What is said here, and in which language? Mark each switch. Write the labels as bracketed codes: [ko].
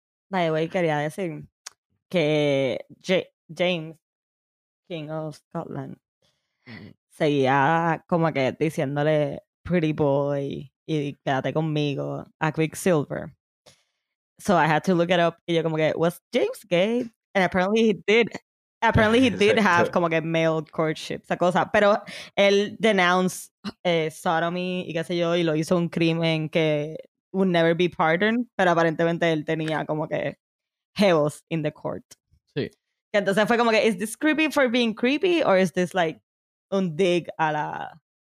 [en] By the way, [es] quería decir que James, King of Scotland, seguía como que diciéndole [en] pretty boy [es] y quédate conmigo a Quicksilver. [en] So I had to look it up. [es] Y yo como que, [en] was James gay? And apparently he did. Apparently he did have [es] como que [en] male courtship. [es] Esa cosa. Pero él [en] denounced sodomy [es] y qué sé yo. Y lo hizo un crimen que [en] would never be pardoned. [es] Pero aparentemente él tenía como que jevos [en] in the court. [es] Sí. Y entonces fue como que, [en] is this creepy for being creepy? Or is this like [es] un [en] dig [es] a la...